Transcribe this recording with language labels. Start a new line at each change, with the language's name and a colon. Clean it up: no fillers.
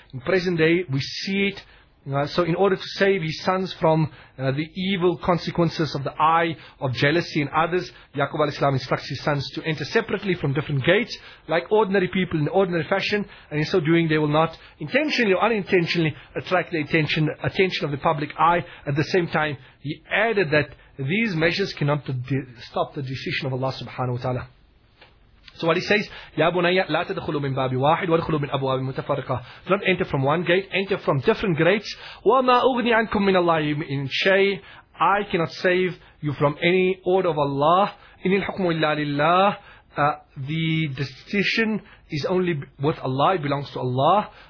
English: In present day, we see it. So in order to save his sons from the evil consequences of the eye of jealousy in others, Yaqub al-Islam instructs his sons to enter separately from different gates, like ordinary people in ordinary fashion, and in so doing they will not intentionally or unintentionally attract the attention of the public eye. At the same time, he added that these measures cannot stop the decision of Allah subhanahu wa ta'ala. So what he says,
Arabic: يَا بُنَيَّ لَا تَدْخُلُوا مِنْ بَابِ وَاحِدٍ وَادْخُلُوا مِنْ أَبْوَابٍ مُتَفَرِّقَةٍ.
English: Don't enter from one gate, enter from different gates.
Arabic: وَمَا أُغْنِي عَنْكُمْ مِنَ اللَّهِ مِنْ شَيْءٍ.
English: I cannot save you from any order of Allah.
Arabic: إِنِ الْحُكْمُ إِلَّا لِلَّهِ.
English: The decision is only with Allah, it belongs to Allah.